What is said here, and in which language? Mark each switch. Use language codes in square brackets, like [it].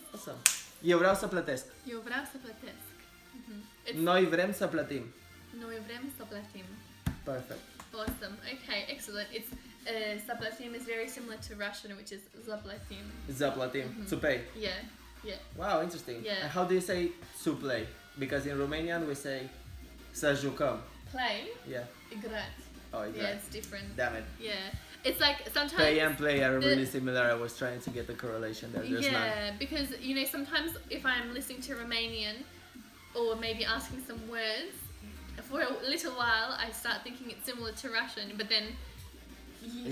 [ro] Awesome. Eu vreau să plătesc. Eu vreau să plătesc. Mm-hmm. Noi vrem să plătim. Noi vrem să plătim. [en] Perfect. Awesome. Okay, excellent. It's zaplatim is very similar to Russian, which is zaplatim. [ru] Zaplatim. Mm-hmm. [en] To pay. Yeah. Wow, interesting. Yeah. And how do you say to play? Because in Romanian we say să jucăm. Play? Yeah. [ru] Igrat. Oh, igrat. [en] Yeah, it's different. Damn it. Yeah. It's like sometimes pay and play are really similar. I was trying to get the correlation there. Yeah, not. Because you know sometimes if I'm listening to Romanian or maybe asking some words for a little while, I start thinking it's similar to Russian. But then you